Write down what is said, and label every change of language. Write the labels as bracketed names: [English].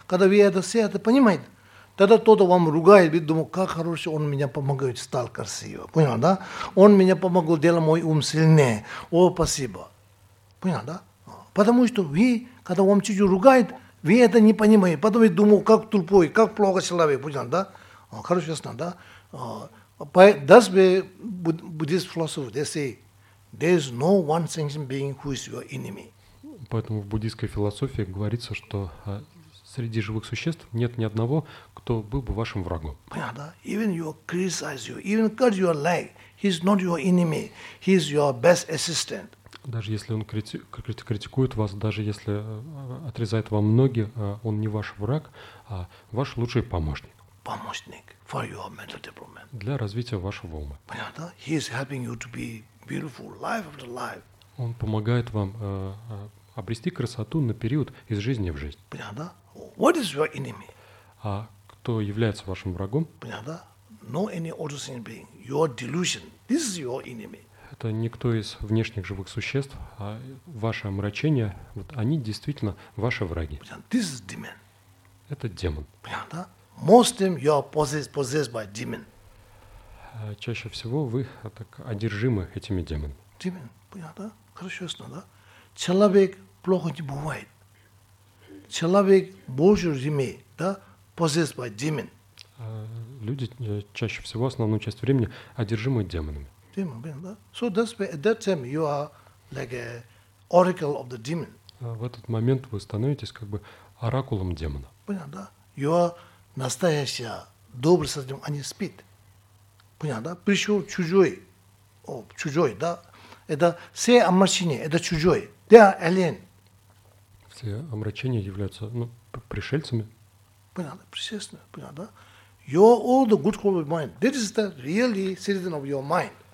[Russian] Когда вы это все это понимаете, тогда кто-то вам ругает, вы думаете, как хорошо, он меня помогает, стал красивым. Понял, да? Он меня помогал, дело мой ум сильнее. О, спасибо. Понял, да? Потому что вы, когда вам чуть-чуть ругает, вы это не понимаете. Потом вы думаете, как тупой, как плохо человек. Понял, да? Хорошо, ясно, да? [English] By that way, Buddhist philosophers they say there is no one sentient being who is your enemy. [Russian] Поэтому в буддийской философии говорится, что среди живых существ нет ни одного, кто был бы вашим врагом. Понятно, да? [English] Even you criticize you, even cut your leg, he's not your enemy. He's your best assistant. [Russian] Даже если он критикует вас, даже если отрезает вам ноги, он не ваш враг, а ваш лучший помощник. Помощник [English] for your mental development. [Russian] Для развития вашего ума. Понятно, да? [English] He is helping you to be beautiful life after life. [Russian] Он помогает вам обрести красоту на период из жизни в жизнь. Понятно, да? [English] What is your enemy? [Russian] А кто является вашим врагом? Понятно, да? [English] No any other sentient being. Your delusion. This is your enemy. [Russian] Это никто из внешних живых существ, а ваше омрачение, вот они действительно ваши враги. Понятно, [English] this is demon. [Russian] Это демон. Понятно, да? [English] Most of them you are possessed by demon. [Russian] Чаще всего вы так одержимы этими демонами. Демон, понятно, да? Хорошо, ясно, да? Человек плохо не бывает. Человек больше времени, да, [English] possessed by demon. [Russian] Люди чаще всего основную часть времени одержимы демонами. Демон, понятно, да? [English] So that's why at that time you are like a oracle of the demon. [Russian] В этот момент вы становитесь как бы оракулом демона. Понятно, да? [English] You are [Russian] настоящее доброе сознание, а не спит. Понятно, да? Пришел чужой. О, чужой, да? Это все омрачения, это чужой. [English] They are alien. [Russian] Все омрачения являются, ну, пришельцами. Понятно, пришельцами, понятно, да? [English] Your all the good quality of mind, that is the really citizen of your mind.